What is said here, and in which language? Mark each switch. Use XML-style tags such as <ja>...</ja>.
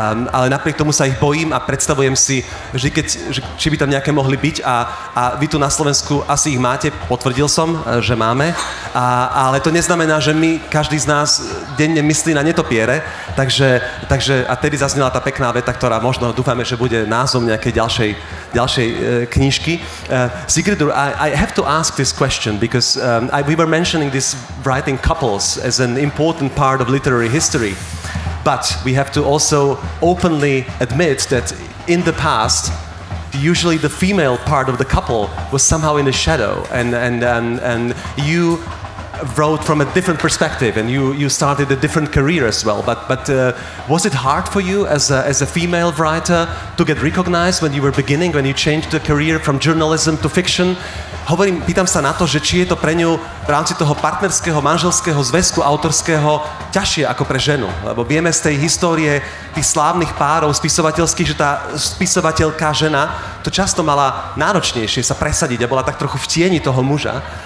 <sk>Ale napriek tomu sa ich bojím a predstavujem si, že či by tam nejaké mohli byť a vy tu na Slovensku asi ich máte, potvrdil som, že máme. Ale to neznamená, že my, každý z nás denne myslí na netopiere, takže a tedy zaznela tá pekná veta, ktorá možno dúfame, že bude názov nejakej ďalšej knižky.</sk> <en>Sigridur, I have to ask this question because we were mentioning this writing couples as an important part of literary history, but we have to also openly admit that in the past, usually the female part of the couple was somehow in the shadow, and you wrote from a different perspective, and you started a different career as well. But was it hard for you as a female writer to get recognized when you were beginning, when you changed the career from journalism to fiction?</en> <sk>Hovorím, pýtam sa na to, že či je to pre ňu v rámci toho partnerského, manželského zväzku, autorského, ťažšie ako pre ženu. Lebo vieme z tej histórie tých slávnych párov spisovateľských, že tá spisovateľka žena to často mala náročnejšie sa presadiť a bola tak trochu v tieni toho muža.</sk>